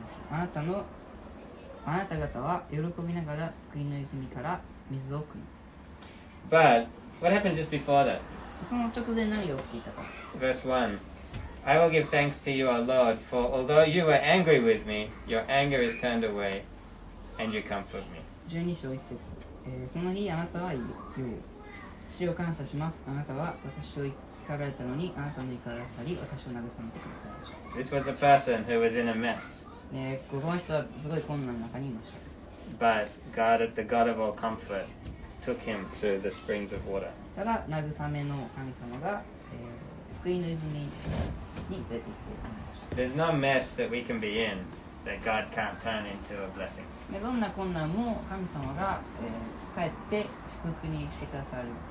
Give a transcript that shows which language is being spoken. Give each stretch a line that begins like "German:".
Japanese: あなた方は喜びながら救いの泉から水を汲む。
English: But what happened just before that?
Japanese: その直前何が起きたか。
English: Verse 1. I will give thanks to you, O Lord, for although you were angry with me, your anger is turned away, and you comfort me.
Japanese: 12章1節、その日あなたは言う。主を感謝します。あなたは私を怒られたのに、あなたの怒りは去り、私を慰めてくださいました。
English: This was a person who was in a mess.
Japanese: この人はすごい困難の中にいました。
English: But God, the God of all comfort, took him to the springs of water.
Japanese: ただ、慰めの神様が、救いの泉に出て行っていました。
English: There's no mess that we can be in that God can't turn into a blessing.
Japanese: どんな困難も神様が、帰って祝福にしてくださる、